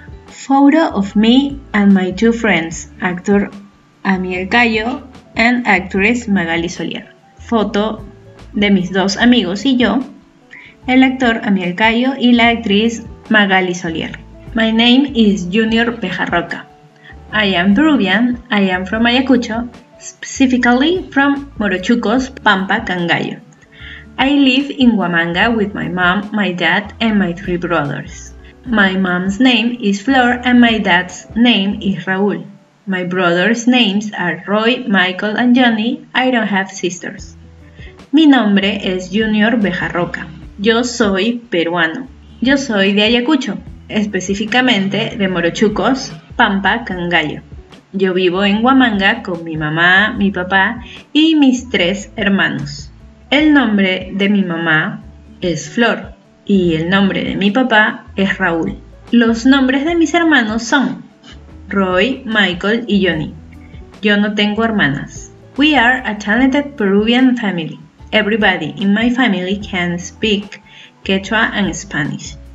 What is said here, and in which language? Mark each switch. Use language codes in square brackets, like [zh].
[en] Photo of me and my two friends, actor Amiel Cayo and actress Magali Solier. [es] Foto de mis dos amigos y yo, el actor Amiel Cayo y la actriz Magali Solier. [en] My name is Junior Pejarroca. I am Peruvian. I am from Ayacucho, specifically from Morochucos, Pampa, Cangallo. I live in Huamanga with my mom, my dad, and my three brothers. My mom's name is Flor and my dad's name is Raúl. My brothers' names are Roy, Michael, and Johnny. I don't have sisters. [es] Mi nombre es Junior Bejarroca. Yo soy peruano. Yo soy de Ayacucho, específicamente de Morochucos, Pampa, Cangallo. Yo vivo en Huamanga con mi mamá, mi papá y mis tres hermanos. El nombre de mi mamá es Flor y el nombre de mi papá es Raúl. Los nombres de mis hermanos son Roy, Michael y Johnny. Yo no tengo hermanas. [en] We are a talented Peruvian family. Everybody in my family can speak Quechua and Spanish.